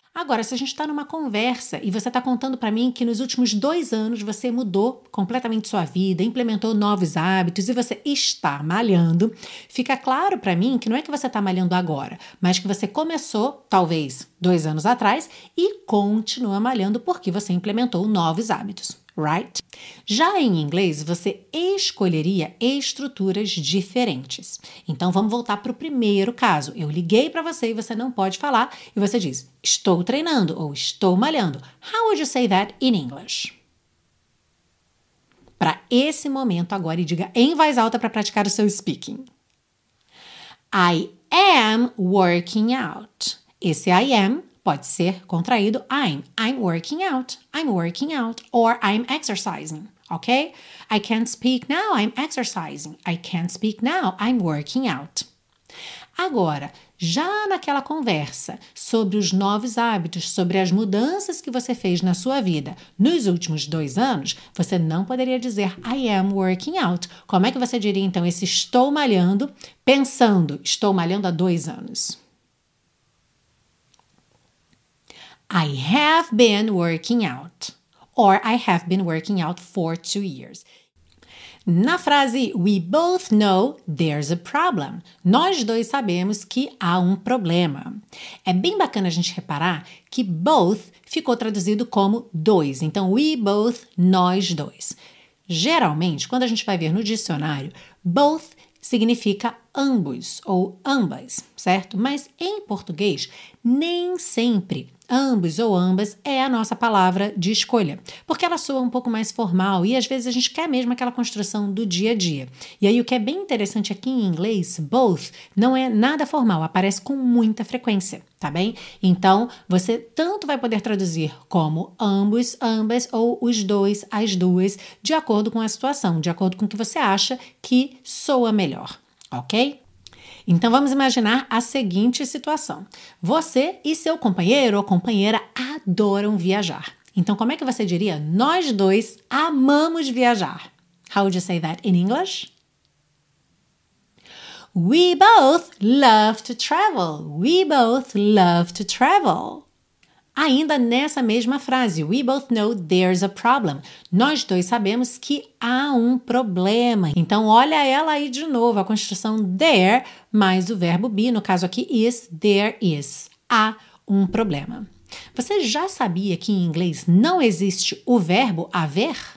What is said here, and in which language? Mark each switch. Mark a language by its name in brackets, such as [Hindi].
[Portuguese] Agora, se a gente está numa conversa e você está contando para mim que nos últimos 2 anos você mudou completamente sua vida, implementou novos hábitos e você está malhando, fica claro para mim que não é que você está malhando agora, mas que você começou, talvez, 2 anos atrás e continua malhando porque você implementou novos hábitos, right? Já em inglês, você escolheria estruturas diferentes. Então, vamos voltar para o primeiro caso. Eu liguei para você e você não pode falar e você diz, estou treinando ou estou malhando. [English] How would you say that in English? [Portuguese] Para esse momento agora e diga em voz alta para praticar o seu speaking. [English] I am working out. [Portuguese] Esse [English] I am [Portuguese] pode ser contraído, [English] I'm working out, or I'm exercising, ok? I can't speak now, I'm exercising, I'm working out. [Portuguese] Agora, já naquela conversa sobre os novos hábitos, sobre as mudanças que você fez na sua vida nos últimos 2 anos, você não poderia dizer [English] I am working out. [Portuguese] Como é que você diria então esse estou malhando, pensando, estou malhando há 2 anos? [English] I have been working out, or I have been working out for 2 years. [Portuguese] Na frase, [English] we both know there's a problem. [Portuguese] Nós dois sabemos que há um problema. É bem bacana a gente reparar que both ficou traduzido como dois. Então, [English] we both, [Portuguese] nós dois. Geralmente, quando a gente vai ver no dicionário, both significa ambos ou ambas, certo? Mas em português, nem sempre ambos ou ambas é a nossa palavra de escolha, porque ela soa um pouco mais formal e às vezes a gente quer mesmo aquela construção do dia a dia. E aí o que é bem interessante aqui em inglês, both, não é nada formal, aparece com muita frequência, tá bem? Então, você tanto vai poder traduzir como ambos, ambas ou os dois, as duas, de acordo com a situação, de acordo com o que você acha que soa melhor, ok? Então, vamos imaginar a seguinte situação. Você e seu companheiro ou companheira adoram viajar. Então, como é que você diria, nós dois amamos viajar? [English] How would you say that in English? We both love to travel. We both love to travel. [Portuguese] Ainda nessa mesma frase, [English] we both know there's a problem. [Portuguese] Nós dois sabemos que há um problema. Então, olha ela aí de novo, a construção there mais o verbo be, no caso aqui is, there is. Há um problema. Você já sabia que em inglês não existe o verbo haver?